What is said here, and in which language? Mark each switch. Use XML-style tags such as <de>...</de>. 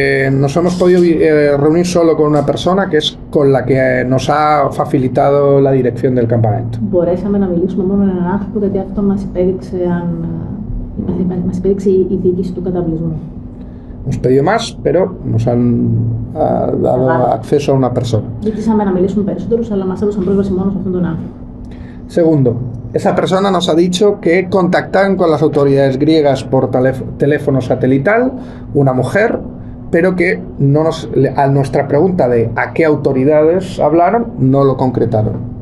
<es>Nos hemos podido reunir solo con una persona que es con la que nos ha facilitado la dirección del campamento.</es> <el>Μπορέσαμε να μιλήσουμε μόνο με έναν άνθρωπο, γιατί αυτό μας υπέδειξε η διοίκηση του καταβλισμού.</el> <es>Hemos pedido más, pero nos han dado acceso a una persona.</es> <el>Ζήτησαμε να μιλήσουμε περισσότερους, αλλά μας έδωσαν πρόσβαση μόνο σε αυτόν τον άνθρωπο.</el> <es>Segundo, esa persona nos ha dicho que contactaron con las autoridades griegas por teléfono satelital, una mujer, pero que no nos, a nuestra pregunta de a qué autoridades hablaron, no lo concretaron.</es>